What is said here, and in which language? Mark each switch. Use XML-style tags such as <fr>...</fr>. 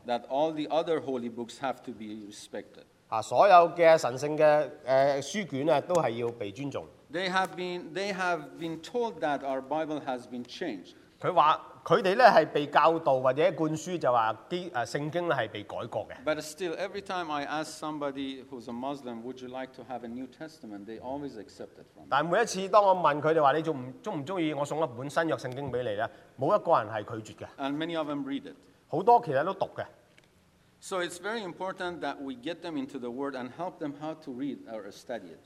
<en>that all the other holy books have to be respected.</en> <yue>所有嘅神聖嘅書卷呢,都係要被尊重。</yue> <en>They have been told that our Bible has been changed.</en> <yue>佢哋呢係被教導或者灌輸就話聖經係被改過嘅。</yue> <en>But still, every time I ask somebody who's a Muslim, would you like to have a New Testament? They always accept it from me.</en> <yue>但每一次當我問佢哋話你仲唔中意我送一本新約聖經俾你呢,冇一個人係拒絕嘅。</yue> <en>And many of them read it.</en> <yue>好多其實都讀嘅。</yue> <en>So it's very important that we get them into the Word and help them how to read or study it.</en>